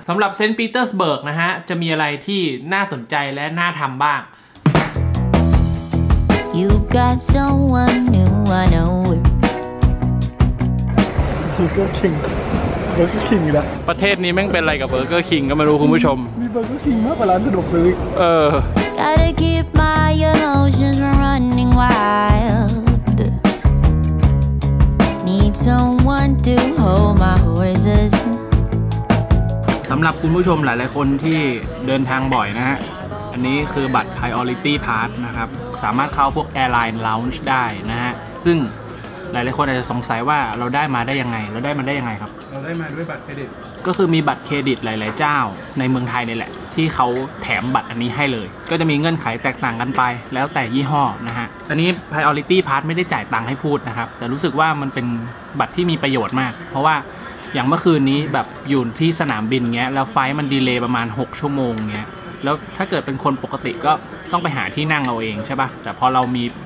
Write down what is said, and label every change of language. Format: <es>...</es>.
<th>สำหรับเซนต์ปีเตอร์สเบิร์กนะฮะจะมีอะไรที่น่าสนใจและน่าทำบ้าง</th> <en>You got someone new I know Burger King Burger King ละ</en> <th>ประเทศนี้แม่งเป็นอะไรกับ Burger King ก็ไม่รู้คุณผู้ชม มี Burger King มากกว่าร้านสะดวกซื้</th> <en>อGotta keep my emotions from running wild. Need someone to hold my horses.</en> <th>สำหรับคุณผู้ชมหลายๆคนที่เดินทางบ่อยนะฮะอันนี้คือบัตร Priority Pass นะครับสามารถเข้าพวก Airline Lounge ได้นะฮะซึ่งหลายๆคนอาจจะสงสัยว่าเราได้มาได้ยังไงเราได้มาได้ยังไงครับ เราได้มาด้วยบัตรเครดิต ก็คือมีบัตรเครดิตหลายๆเจ้าในเมืองไทยนี่แหละที่เขาแถมบัตรอันนี้ให้เลยก็จะมีเงื่อนไขแตกต่างกันไปแล้วแต่ยี่ห้อนะฮะอันนี้ Priority Pass ไม่ได้จ่ายตังค์ให้พูดนะครับแต่รู้สึกว่ามันเป็นบัตรที่มีประโยชน์มากเพราะว่าอย่างเมื่อคืนนี้แบบอยู่ที่สนามบินเงี้ยแล้วไฟมันดีเลย์ประมาณ6ชั่วโมงเงี้ยแล้วถ้าเกิดเป็นคนปกติก็ต้องไปหาที่นั่งเอาเองใช่ป่ะแต่พอเรามี</th>